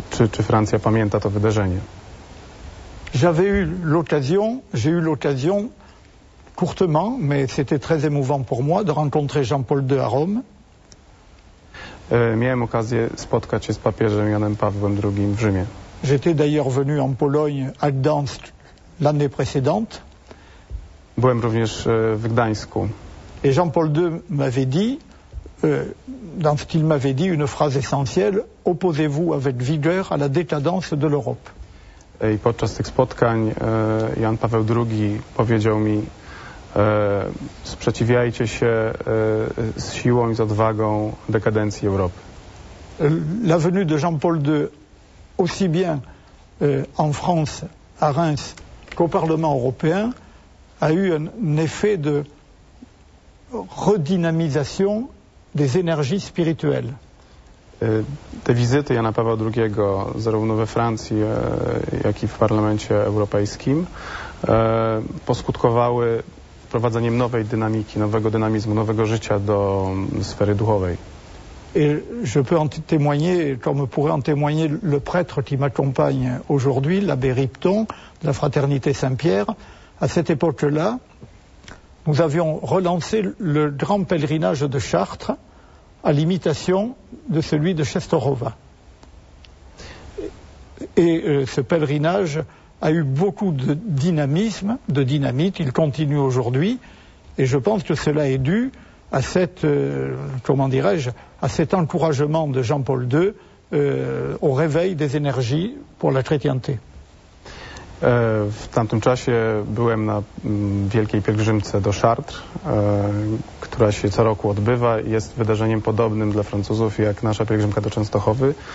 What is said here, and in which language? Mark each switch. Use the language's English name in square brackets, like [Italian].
[Polish] Czy Francja pamięta to wydarzenie? [French] J'ai eu l'occasion, courtement, mais c'était très émouvant pour moi, de rencontrer Jean-Paul II à Rome. [Polish] Miałem okazję spotkać się z papieżem Janem Pawłem II w Rzymie. [French] J'étais d'ailleurs venu en Pologne à Gdańsk l'année précédente. [Polish] Byłem również w Gdańsku. [French] Et Jean-Paul II m'avait dit, dans ce qu'il m'avait dit, une phrase essentielle, opposez-vous avec vigueur à la décadence de l'Europe. [Polish] I podczas tych spotkań Jan Paweł II powiedział mi, sprzeciwiajcie się z siłą i z odwagą dekadencji Europy. [French] La venue de Jean-Paul II aussi bien en France, à Reims, qu'au Parlement européen, a eu un effet de redynamisation des énergies spirituelles. [Polish] Te wizyty Jana Pawła II, zarówno we Francji, jak i w Parlamencie Europejskim, poskutkowały wprowadzeniem nowej dynamiki, nowego dynamizmu, nowego życia do sfery duchowej. [French] Et je peux en témoigner, comme pourrait en témoigner le prêtre qui m'accompagne aujourd'hui, l'abbé Ripton, de la Fraternité Saint-Pierre. À cette époque-là, nous avions relancé le grand pèlerinage de Chartres à l'imitation de celui de Chestorova. Et ce pèlerinage a eu beaucoup de dynamisme, de dynamite, il continue aujourd'hui, et je pense que cela est dû à cette, comment dirais-je, à cet encouragement de Jean-Paul II au réveil des énergies pour la chrétienté. [Polish] W tamtym czasie byłem na wielkiej pielgrzymce do Chartres, która się co roku odbywa i jest wydarzeniem podobnym dla Francuzów jak nasza pielgrzymka do Częstochowy.